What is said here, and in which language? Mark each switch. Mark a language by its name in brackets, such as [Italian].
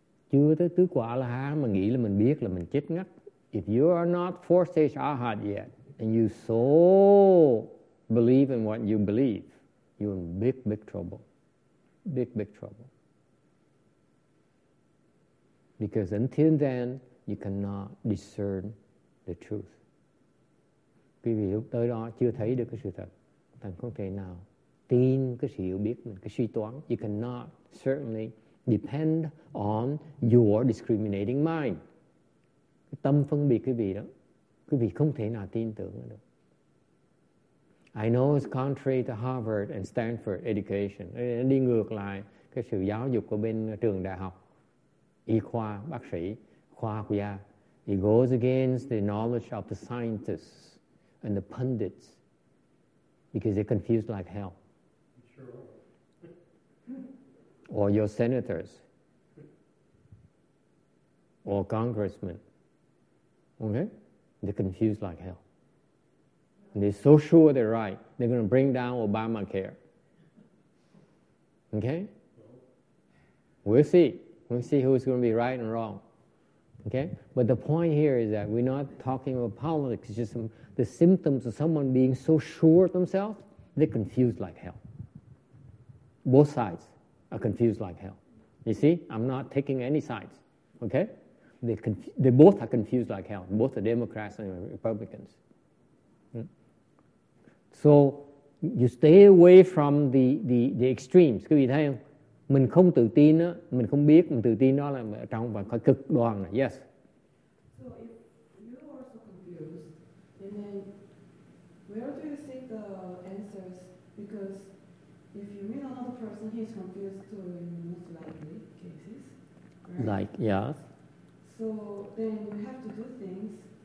[Vietnamese] Chưa tới tứ quả la hán mà nghĩ là mình biết là mình chết ngắt. [English] If you are not fourth stage arhat yet, and you so believe in what you believe, you're in big, big trouble. Big, big trouble. Because until then, you cannot discern the truth. [Vietnamese] Quý vị lúc tới đó chưa thấy được cái sự thật. Thành không thể nào tin cái sự hiểu biết mình, cái suy toán. [English] You cannot certainly depend on your discriminating mind. [Vietnamese] Cái tâm phân biệt quý vị đó, quý vị không thể nào tin tưởng được. [English] I know it's contrary to Harvard and Stanford education. [Vietnamese] Nó đi ngược lại cái sự giáo dục của bên trường đại học. Y khoa, bác sĩ, khoa học gia. [English] It goes against the knowledge of the scientists and the pundits because they're confused like hell. Sure. Or your senators. Or congressmen. Okay? They're confused like hell. And they're so sure they're right. They're going to bring down Obamacare. Okay? We'll see. We'll see who's going to be right and wrong. Okay? But the point here is that we're not talking about politics. It's just the symptoms of someone being so sure of themselves, they're confused like hell. Both sides are confused like hell. You see? I'm not taking any sides. Okay? They both are confused like hell. Both are Democrats and Republicans. So you stay away from the extremes. [Vietnamese] Quý vị thấy không? Mình không tự tin á, mình không biết, mình tự tin đó là trong và cái cực đoan này. [English] Yes. So if you are so confused, then where do you seek the answers? Because if you meet another person, he's confused too in most likely cases. Right? Like, yes. So then you have to do things.